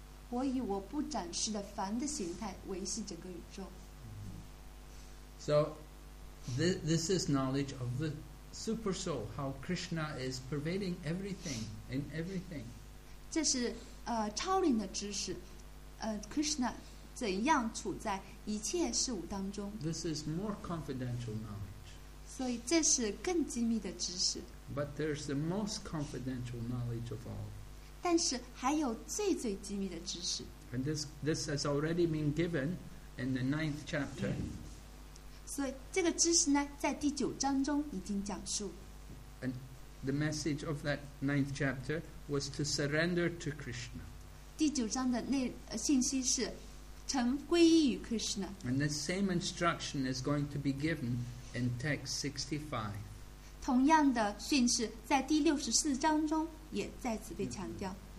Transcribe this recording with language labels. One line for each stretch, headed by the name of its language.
Chinese: 我以我不展示的凡的形态维系整个宇宙。
English: So, this is knowledge of the super soul, how Krishna is pervading everything in everything.
Chinese: 这是超龄的知识，Krishna 怎样处在一切事物当中。
English: This is more confidential knowledge.
Chinese: 所以这是更机密的知识。
English: But there's the most confidential knowledge of all.
Chinese: 但是还有最最机密的知识。
English: And this has already been given in the ninth chapter.
Chinese: 所以这个知识呢，在第九章中已经讲述。
English: And the message of that ninth chapter was to surrender to Krishna.
Chinese: 第九章的信息是成皈依于 Krishna.
English: And the same instruction is going to be given in text 65.
Chinese: 同样的训示在第六十四章中也再次被强调。